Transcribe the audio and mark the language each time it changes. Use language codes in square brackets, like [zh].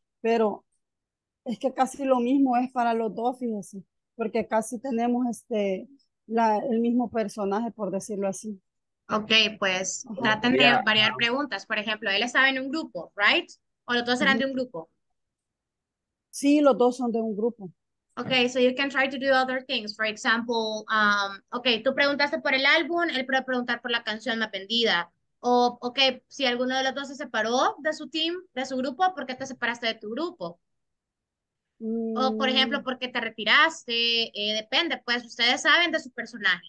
[es] Pero es que casi lo mismo es para los dos, fíjese. Porque casi tenemos el mismo personaje, por decirlo así. Ok, pues traten de variar preguntas. Por ejemplo, él estaba en un grupo, ¿right? ¿O los dos eran de un grupo? Sí, los dos son de un grupo. [en] Ok, so you can try to do other things. For example, ok, [es] tú preguntaste por el álbum, él puede preguntar por la canción La Pendida. O, ok, si alguno de los dos se separó de su team, de su grupo, ¿por qué te separaste de tu grupo? O, por ejemplo, ¿por qué te retiraste? Depende, pues ustedes saben de su personaje.